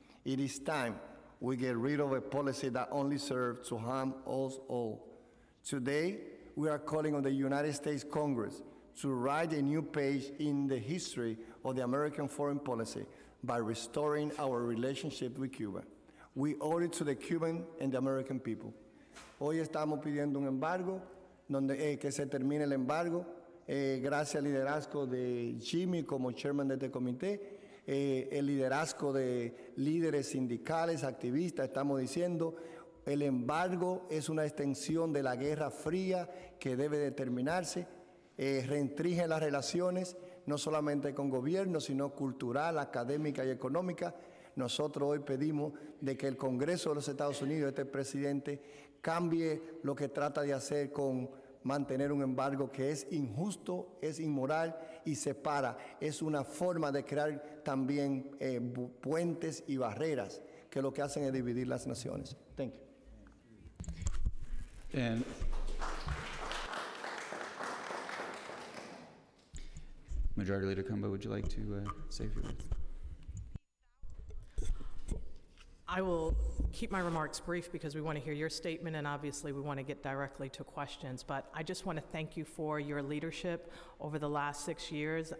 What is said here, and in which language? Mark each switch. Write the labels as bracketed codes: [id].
[en] It is time we get rid of a policy that only serves to harm us all. Today, we are calling on the United States Congress to write a new page in the history of the American foreign policy by restoring our relationship with Cuba. We owe it to the Cuban and the American people. [es] Hoy estamos pidiendo un embargo, donde que se termine el embargo. Gracias al liderazgo de Jimmy como chairman de este comité, el liderazgo de líderes sindicales, activistas, estamos diciendo, el embargo es una extensión de la Guerra Fría que debe de terminarse, restringe las relaciones, no solamente con gobierno, sino cultural, académica y económica. Nosotros hoy pedimos de que el Congreso de los Estados Unidos, este presidente, cambie lo que trata de hacer con mantener un embargo que es injusto, es inmoral y separa. Es una forma de crear también puentes y barreras que lo que hacen es dividir las naciones. [en] Thank you. And Majority Leader Kumba, would you like to say a few words? I will keep my remarks brief because we want to hear your statement and obviously we want to get directly to questions, but I just want to thank you for your leadership over the last 6 years.